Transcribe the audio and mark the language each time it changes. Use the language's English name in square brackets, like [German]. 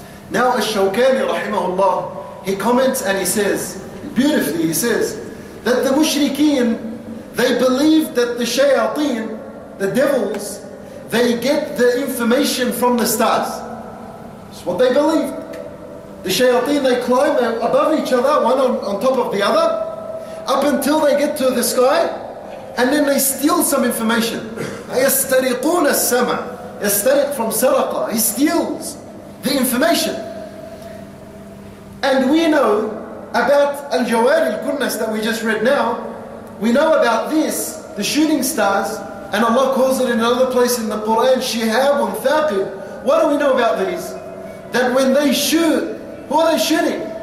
[English] Now Ash-Shawkani rahimahullah, he comments and he says, beautifully he says, that the mushrikeen, they believed that the shayateen, the devils, they get the information from the stars. That's what they believed. The shayateen, they climb above each other, one on top of the other, up until they get to the sky, and then they steal some information. [Arabic] يَسْتَرِقُونَ السَّمَعَ يَسْتَرِقْ from سَرَقَ. [English] He steals the information. And we know about al-jawari al-kunnas that we just read now. We know about this, the shooting stars, and Allah calls it in another place in the Quran, [Arabic] شِهَابٌ ثَاقِبٌ. [English] What do we know about these? That when they shoot, who are they shooting?